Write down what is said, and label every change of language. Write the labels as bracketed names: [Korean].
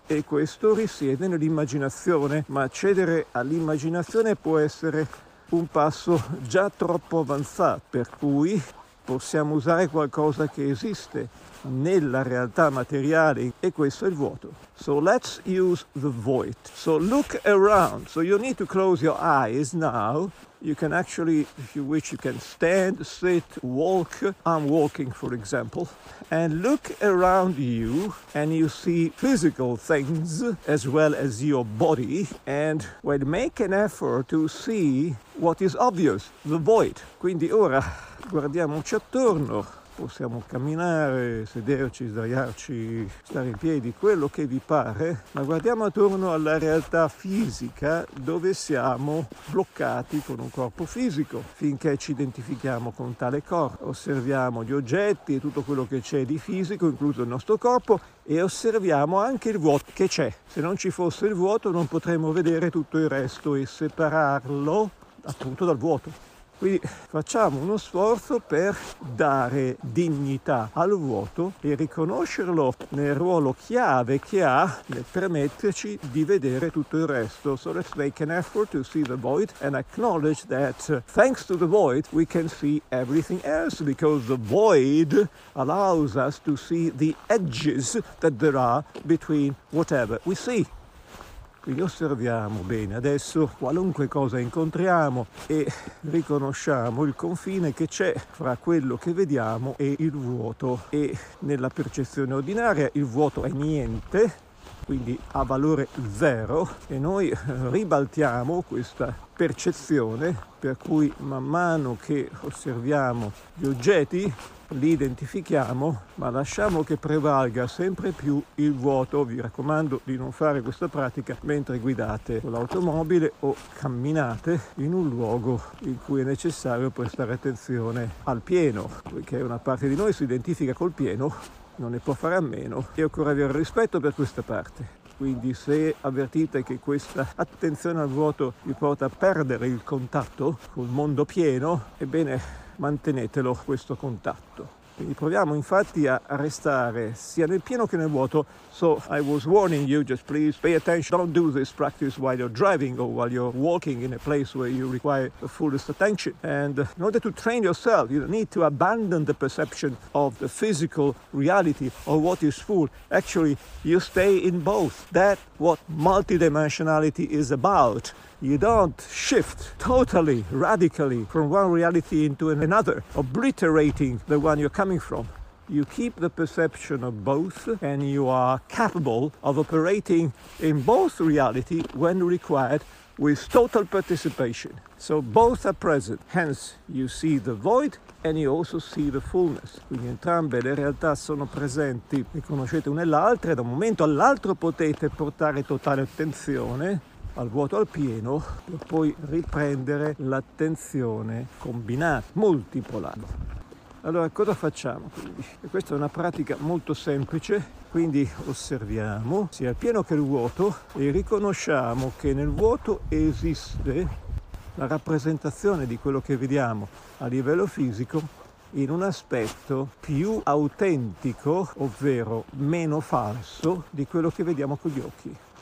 [Italian] E questo risiede nell'immaginazione, ma accedere all'immaginazione può essere un passo già troppo avanzato, per cui possiamo usare qualcosa che esiste nella realtà materiale, e questo è il vuoto. [English] So let's use the void. So look around. So you need to close your eyes now. You can actually, if you wish, you can stand, sit, walk. I'm walking, for example. And look around you, and you see physical things as well as your body. And well, make an effort to see what is obvious, the void. [Italian] Quindi ora guardiamoci attorno. Possiamo camminare, sederci, sdraiarci, stare in piedi, quello che vi pare, ma guardiamo attorno alla realtà fisica dove siamo bloccati con un corpo fisico. Finché ci identifichiamo con tale corpo, osserviamo gli oggetti e tutto quello che c'è di fisico, incluso il nostro corpo, e osserviamo anche il vuoto che c'è. Se non ci fosse il vuoto, non potremmo vedere tutto il resto e separarlo appunto dal vuoto. Quindi facciamo uno sforzo per dare dignità al vuoto e riconoscerlo nel ruolo chiave che ha nel permetterci di vedere tutto il resto. [English] So let's make an effort to see the void and acknowledge that thanks to the void we can see everything else, because the void allows us to see the edges that there are between whatever we see. [Italian] Quindi osserviamo bene adesso qualunque cosa incontriamo e riconosciamo il confine che c'è fra quello che vediamo e il vuoto. E nella percezione ordinaria il vuoto è niente, quindi ha valore zero, e noi ribaltiamo questa percezione, per cui man mano che osserviamo gli oggetti li identifichiamo, ma lasciamo che prevalga sempre più il vuoto. Vi raccomando di non fare questa pratica mentre guidate l'automobile o camminate in un luogo in cui è necessario prestare attenzione al pieno, poiché una parte di noi si identifica col pieno, non ne può fare a meno e occorre avere rispetto per questa parte. Quindi se avvertite che questa attenzione al vuoto vi porta a perdere il contatto col mondo pieno, ebbene mantenetelo questo contatto. Quindi proviamo infatti a restare sia nel pieno che nel vuoto. [English] So I was warning you, just please pay attention, don't do this practice while you're driving or while you're walking in a place where you require the fullest attention. And in order to train yourself, you need to abandon the perception of the physical reality or what is full. Actually, you stay in both. That's what multidimensionality is about. You don't shift totally, radically from one reality into another, obliterating the one you're coming from. You keep the perception of both, and you are capable of operating in both reality when required, with total participation. So both are present. Hence, you see the void and you also see the fullness. [Italian] Quindi entrambe le realtà sono presenti, riconoscete una e l'altra, e da un momento all'altro potete portare totale attenzione al vuoto, al pieno, per poi riprendere l'attenzione combinata, multipola. Allora, cosa facciamo quindi? E questa è una pratica molto semplice, quindi osserviamo sia il pieno che il vuoto e riconosciamo che nel vuoto esiste la rappresentazione di quello che vediamo a livello fisico in un aspetto più autentico, ovvero meno falso, di quello che vediamo con gli occhi.